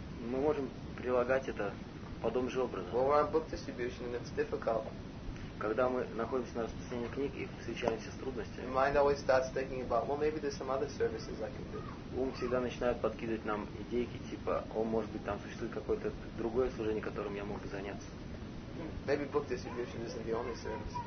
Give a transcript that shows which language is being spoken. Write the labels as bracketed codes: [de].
[ru] Мы можем прилагать это подобным же образом. [en] Well, we're on book distribution and it's difficult. [ru] Когда мы находимся на распространении книг и встречаемся с трудностями, [en] mind always starts thinking about, well, maybe there's some other services I can do. [ru] Ум всегда начинает подкидывать нам идейки, типа, о, может быть, там существует какое-то другое служение, которым я мог бы заняться. [en] Maybe book distribution isn't the only service.